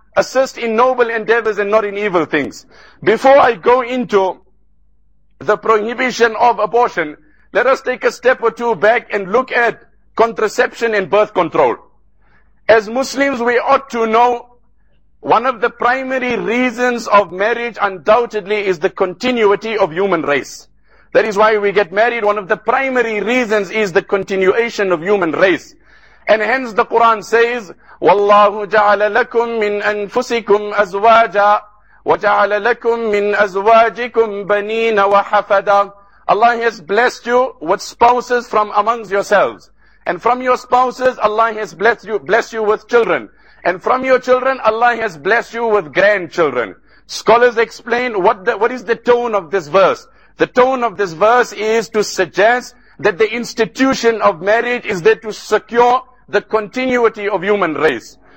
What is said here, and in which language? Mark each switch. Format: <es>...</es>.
<en>Assist in noble endeavors and not in evil things. Before I go into the prohibition of abortion, let us take a step or two back and look at contraception and birth control. As Muslims, we ought to know one of the primary reasons of marriage undoubtedly is the continuity of human race. That is why we get married. One of the primary reasons is the continuation of human race. And hence the Quran says,</en> <ar>وَاللَّهُ جَعَلَ لَكُم مِّنْ أَنفُسِكُمْ أَزْوَاجًا وَجَعَلَ لَكُم مِّنْ أَزْوَاجِكُمْ بَنِينَ وَحَفَدًا.</ar> <en>Allah has blessed you with spouses from amongst yourselves. And from your spouses, Allah has blessed you with children. And from your children, Allah has blessed you with grandchildren. Scholars explain what is the tone of this verse. The tone of this verse is to suggest that the institution of marriage is there to secure the continuity of human race.</en>